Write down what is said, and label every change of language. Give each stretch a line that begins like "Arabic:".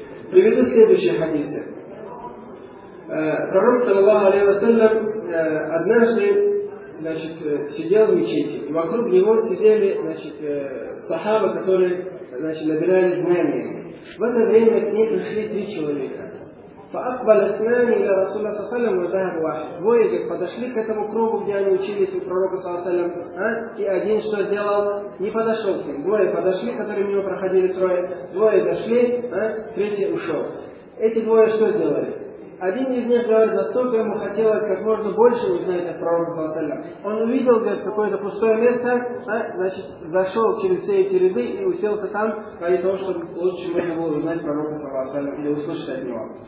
Russian: Приведу следующие хадисы. Пророк, саллаллаху алейхи ва саллям, однажды, значит, сидел в мечети, и вокруг него сидели, значит, сахабы, которые, значит, набирали знания. В это время к ним пришли три человека.
Arabic: فأقبل اثنان إلى رسول الله صلى الله عليه وسلم وذهب واحد.
Russian: Двое подошли к этому кругу, где они учились у пророка
Arabic: صلى الله عليه وسلم.
Russian: И один что сделал? Не подошел к ним. Двое подошли, которые мимо проходили трое. Двое дошли, третий ушел. Эти двое что сделали? Один из них говорит, настолько ему хотелось как можно больше узнать о пророке Саллаллаху алейхи ва саллям. Он увидел, говорит, какое-то пустое место, значит, зашел через все эти ряды и уселся там, ради того, чтобы лучше можно было узнать пророка Саллаллаху алейхи ва саллям или услышать от него.